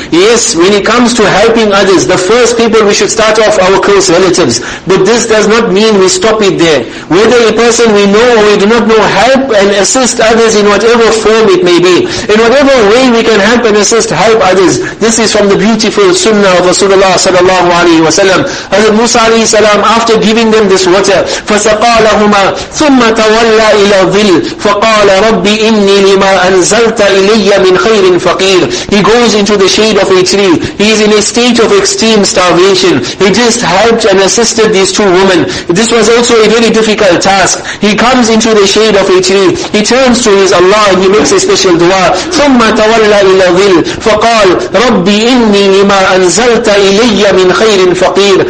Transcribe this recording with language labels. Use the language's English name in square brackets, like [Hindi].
[English] Yes, when it comes to helping others, the first people we should start off our close relatives. But this does not mean we stop it there. Whether a person we know or we do not know, help and assist others in whatever form it may be. In whatever way we can help and assist, help others. This is from the beautiful sunnah of Rasulullah sallallahu alayhi wa sallam. Hazrat Musa alayhi salam, after giving them this water, [Arabic] فَسَقَى لَهُمَا ثُمَّ تَوَلَّى إِلَى الظِّلْ فَقَالَ رَبِّ إِنِّي لِمَا أَنزَلْتَ إِلَيَّ مِنْ خَيْرٍ فَقِيرٍ. [English] He goes into the shade of a tree. He is in a state of extreme starvation. He just helped and assisted these two women. This was also a very difficult time. ask. He comes into the shade of a tree. He turns to his Allah and he makes a special dua. [Arabic] ثُمَّ تَوَلَّى إِلَى ظِلْ فَقَالْ رَبِّ إِنِّي لِمَا أَنزَلْتَ إِلَيَّ مِنْ خَيْرٍ فَقِيرٍ.